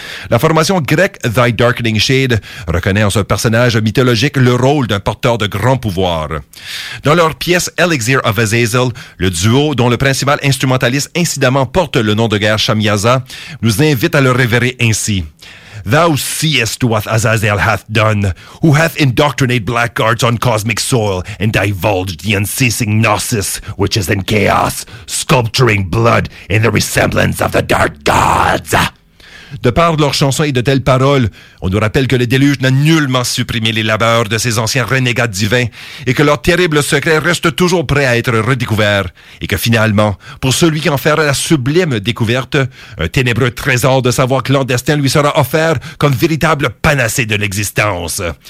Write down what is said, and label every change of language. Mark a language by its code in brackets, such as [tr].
[fr] La formation grecque Thy Darkening Shade reconnaît en ce personnage mythologique le rôle d'un porteur de grands pouvoirs. Dans leur pièce Elixir of Azazel, le duo dont le principal instrumentaliste incidemment porte le nom de guerre Shamyaza nous invite à le révérer ainsi. [en] Thou seest what Azazel hath done, who hath indoctrinated blackguards on cosmic soil and divulged the unceasing gnosis which is in chaos, sculpturing blood in the resemblance of the dark gods. [fr] de par leurs chansons et de telles paroles. On nous rappelle que le déluge n'a nullement supprimé les labeurs de ces anciens renégats divins et que leur terrible secret reste toujours prêt à être redécouvert. Et que finalement, pour celui qui en fera la sublime découverte, un ténébreux trésor de savoir clandestin lui sera offert comme véritable panacée de l'existence.